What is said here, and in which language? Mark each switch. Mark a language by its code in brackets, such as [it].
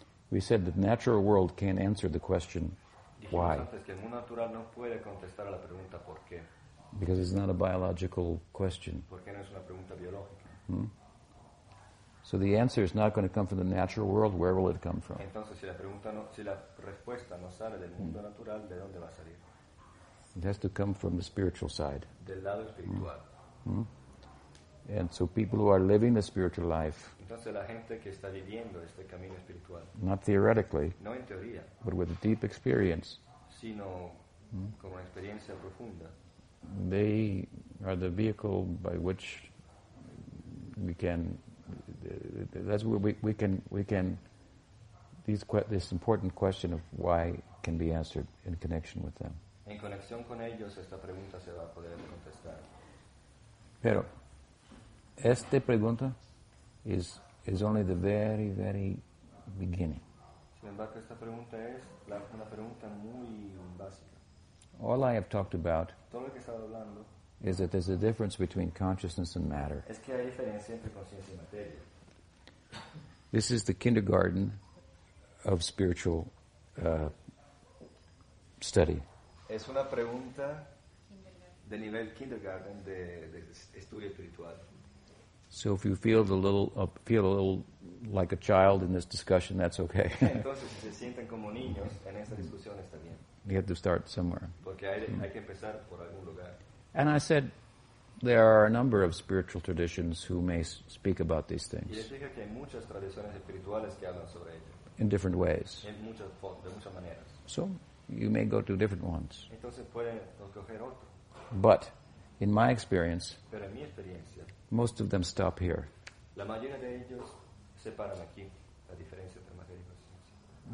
[en] We said the natural world can't answer the question, why? [es] Antes que el mundo natural no puede contestar a la pregunta, ¿por qué? [en] Because it's not a biological question. [es] Porque no es una pregunta biológica. Mm. [en] So the answer is not going to come from the natural world. Where will it come from? [es] Entonces, si la pregunta no, si la respuesta no sale del mundo natural, ¿de dónde va a salir? [en] It has to come from the spiritual side. [es] Del lado espiritual. Mm-hmm. [en] And so people who are living the spiritual life, [es] entonces, la gente que está viviendo este camino espiritual, [en] not theoretically, [es] no en teoría, [en] but with a deep experience, [es] sino con una experiencia profunda, [en] they are the vehicle by which we can. That's where we can. This important question of why can be answered in connection with them. [es] En conexión con ellos, esta pregunta se va a poder contestar. Pero esta pregunta [en] is only the very very beginning. [es] Sin embargo, esta pregunta es una pregunta muy básica. [en] All I have talked about. [es] Todo lo que estaba hablando. [en] Is that there's a difference between consciousness and matter. [es] Es que hay diferencia entre consciencia y materia. [en] This is the kindergarten of spiritual study. [es] Es una pregunta de nivel kindergarten de estudio espiritual. [en] So if you feel a little like a child in this discussion, that's okay. [es] Entonces, si se sienten como niños en esta discusión, está bien. [en] You have to start somewhere. [es] Porque hay que empezar por algún lugar. [en] And I said, there are a number of spiritual traditions who may speak about these things. [es] Y dije que hay muchas tradiciones espirituales que hablan sobre ello. [en] In different ways. [es] En muchas, de muchas maneras. [en] So, you may go to different ones. [es] Entonces pueden escoger otro. [en] But, in my experience, [es] pero en mi experiencia, [en] most of them stop here. [es] La mayoría de ellos se paran aquí, la diferencia entre materia y conciencia.